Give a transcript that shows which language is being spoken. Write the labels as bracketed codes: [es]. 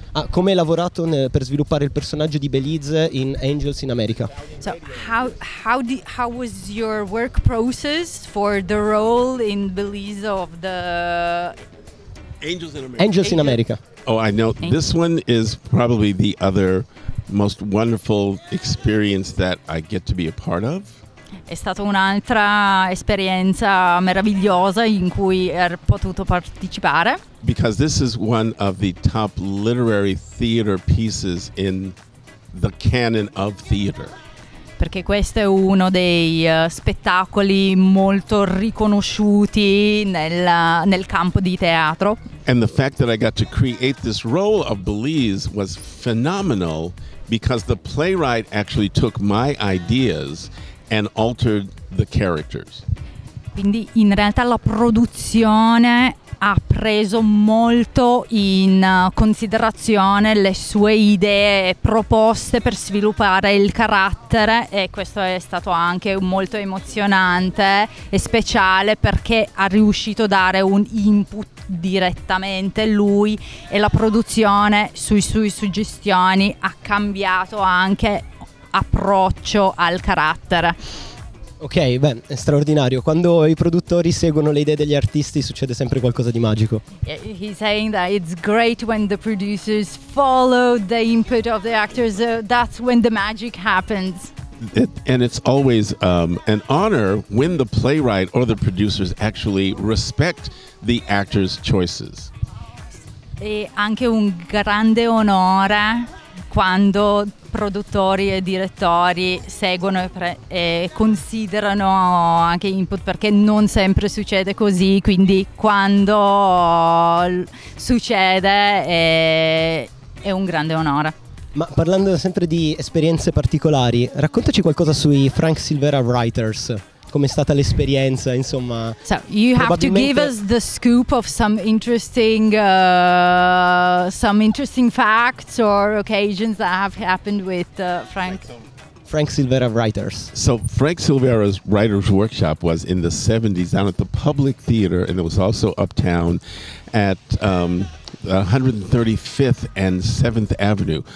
[it] Come hai lavorato per sviluppare il personaggio di Belize in Angels in America? [en] So how was your work process for the role in Belize of the Angels in America? Angels in America. Oh, I know. Angels. This one is probably the other most wonderful experience that I get to be a part of. [it] È stata un'altra esperienza meravigliosa in cui ho potuto partecipare. [en] Because this is one of the top literary theater pieces in the canon of theater. [it] Perché questo è uno dei spettacoli molto riconosciuti nel campo di teatro. [en] And the fact that I got to create this role of Belize was phenomenal, because the playwright actually took my ideas and altered the characters. [it] Quindi in realtà la produzione ha preso molto in considerazione le sue idee proposte per sviluppare il carattere, e questo è stato anche molto emozionante e speciale, perché ha riuscito a dare un input direttamente lui, e la produzione sui suoi suggestioni ha cambiato anche approccio al carattere. Ok, beh, è straordinario. Quando i produttori seguono le idee degli artisti succede sempre qualcosa di magico. [en] He's saying that it's great when the producers follow the input of the actors. That's when the magic happens. And it's always an honor when the playwright or the producers actually respect the actors' choices. [it] E anche un grande onore quando produttori e direttori seguono e considerano anche input, perché non sempre succede così, quindi quando succede è un grande onore. Ma parlando sempre di esperienze particolari, raccontaci qualcosa sui Frank Silvera Writers. Come è stata l'esperienza, insomma? [en] So, you have to give us the scoop of some interesting facts or occasions that have happened with Frank Silvera Writers. So Frank Silvera's Writers Workshop was in the 70s down at the Public Theater, and it was also uptown at 135th and 7th Avenue.